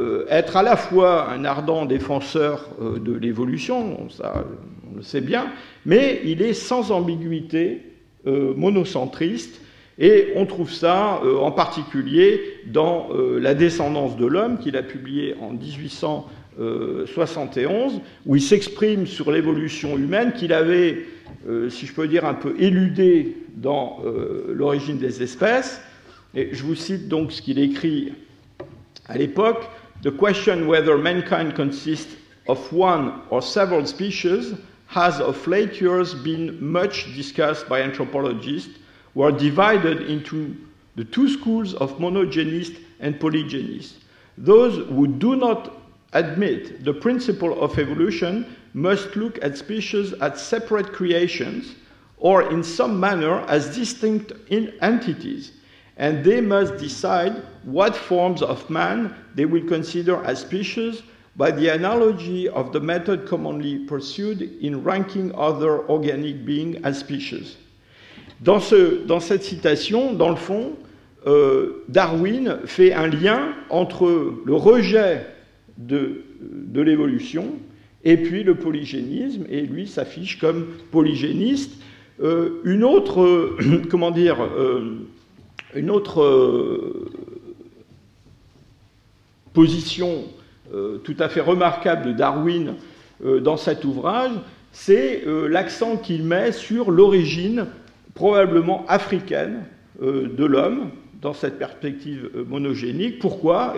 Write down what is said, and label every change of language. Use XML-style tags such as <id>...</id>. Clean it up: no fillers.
<fr>être à la fois un ardent défenseur de l'évolution, ça, on le sait bien, mais il est sans ambiguïté monocentriste, et on trouve ça en particulier dans « La descendance de l'homme » qu'il a publié en 1871, où il s'exprime sur l'évolution humaine qu'il avait, si je peux dire, un peu éludé dans l'origine des espèces. Et je vous cite donc ce qu'il écrit à l'époque.</fr> <en>« The question whether mankind consists of one or several species has of late years been much discussed by anthropologists who are divided into the two schools of monogenists and polygenists. Those who do not admit the principle of evolution must look at species as separate creations or in some manner as distinct entities, and they must decide what forms of man they will consider as species by the analogy of the method commonly pursued in ranking other organic beings as species. »</en> <fr>Dans cette citation, dans le fond, Darwin fait un lien entre le rejet de l'évolution et puis le polygénisme, et lui s'affiche comme polygéniste. Position tout à fait remarquable de Darwin dans cet ouvrage, c'est l'accent qu'il met sur l'origine probablement africaine de l'homme dans cette perspective monogénique. Pourquoi ?</fr>